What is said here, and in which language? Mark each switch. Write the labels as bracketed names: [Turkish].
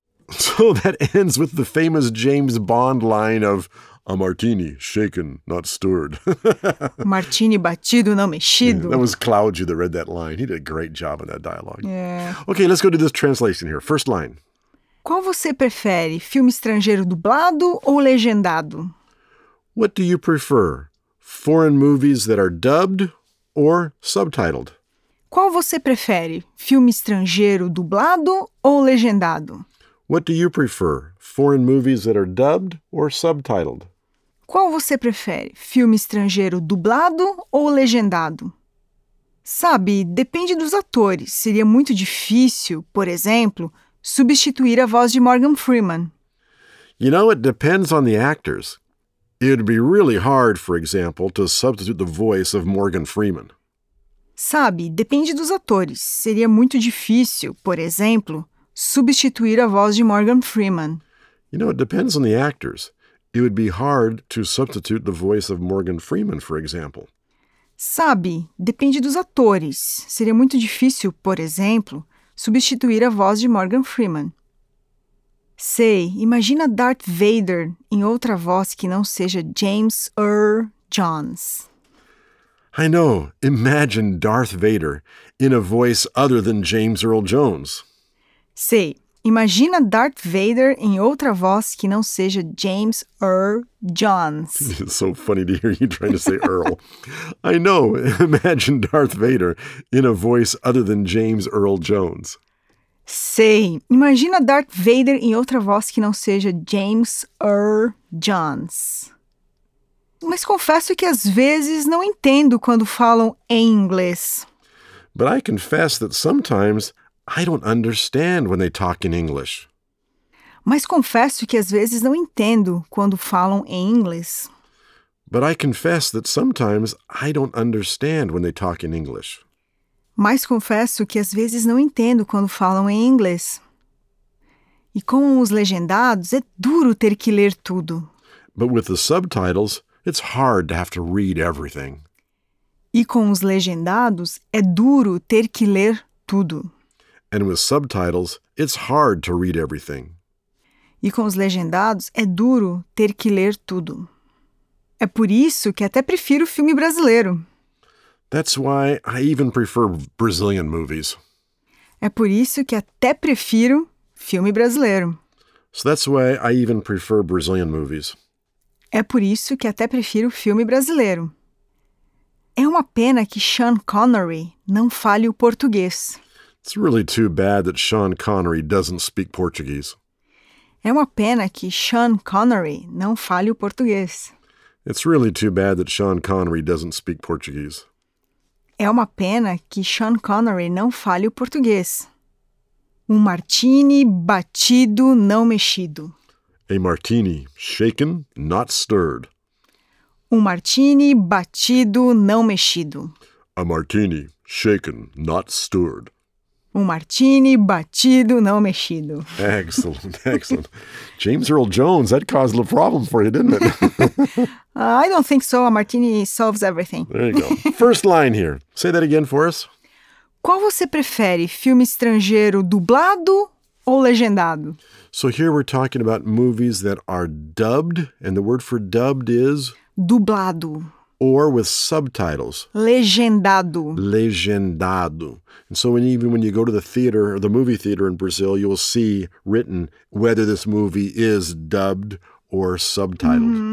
[English] So that ends with the famous James Bond line of a martini shaken, not stirred. [Portuguese] Martini batido, não mexido. [English] Yeah, that was Claudio that read that line. He did a great job in that dialogue. Yeah. Okay, let's go to this translation here. First line. [Portuguese] Qual você prefere, filme estrangeiro dublado ou legendado? [English] What do you prefer, foreign movies that are dubbed or subtitled? [Portuguese] Qual você prefere, filme estrangeiro dublado ou legendado? [English] What do you prefer, foreign movies that are dubbed or subtitled? [Portuguese] Qual você prefere, filme estrangeiro dublado ou legendado? Sabe, depende dos atores. Seria muito difícil, por exemplo, substituir a voz de Morgan Freeman. [English] You know, it depends on the actors. It'd be really hard, for example, to substitute the voice of Morgan Freeman. [Portuguese] Sabe, depende dos atores. Seria muito difícil, por exemplo, substituir a voz de Morgan Freeman. [English] You know, it depends on the actors. It would be hard to substitute the voice of Morgan Freeman, for example. [Portuguese] Sabe, depende dos atores. Seria muito difícil, por exemplo, substituir a voz de Morgan Freeman. Sei, imagina Darth Vader em outra voz que não seja James Earl Jones. [English] I know, imagine Darth Vader in a voice other than James Earl Jones. [Portuguese] Sei, imagina Darth Vader em outra voz que não seja James Earl Jones. [English] It's so funny to hear you trying to say Earl. I know, imagine Darth Vader in a voice other than James Earl Jones. [Portuguese] Sei, imagina Darth Vader em outra voz que não seja James Earl Jones. Mas confesso que às vezes não entendo quando falam em inglês. [English] But I confess that sometimes I don't understand when they talk in English. [Portuguese] Mas confesso que às vezes não entendo quando falam em inglês. [English] But I confess that sometimes I don't understand when they talk in English. [Portuguese] Mas confesso que às vezes não entendo quando falam em inglês. E com os legendados, é duro ter que ler tudo. [English] But with the subtitles, it's hard to have to read everything. [Portuguese] E com os legendados, é duro ter que ler tudo. [English] And with subtitles, it's hard to read everything. [Portuguese] E com os legendados, é duro ter que ler tudo. É por isso que até prefiro filme brasileiro. [English] That's why I even prefer Brazilian movies. [Portuguese] É por isso que até prefiro filme brasileiro. [English] So that's why I even prefer Brazilian movies. [Portuguese] É por isso que até prefiro filme brasileiro. É uma pena que Sean Connery não fale o português. [English] It's really too bad that Sean Connery doesn't speak Portuguese. [Portuguese] É uma pena que Sean Connery não fale o português. [English] It's really too bad that Sean Connery doesn't speak Portuguese. [Portuguese] É uma pena que Sean Connery não fale o português. Um martini batido, não mexido. [English] A martini shaken, not stirred. [Portuguese] Um martini batido, não mexido. [English] A martini shaken, not stirred. [Portuguese] Um martini batido, não mexido. [English] Excellent, excellent. James Earl Jones, that caused a problem for you, didn't it? I don't think so. A martini solves everything. There you go. First line here. Say that again for us. [Portuguese] Qual você prefere, filme estrangeiro dublado ou legendado? [English] So here we're talking about movies that are dubbed, and the word for dubbed is? [Portuguese] Dublado. [English] Or with subtitles. [Portuguese] Legendado. Legendado. [English] And so when you go to the theater, or the movie theater in Brazil, you'll see written whether this movie is dubbed or subtitled.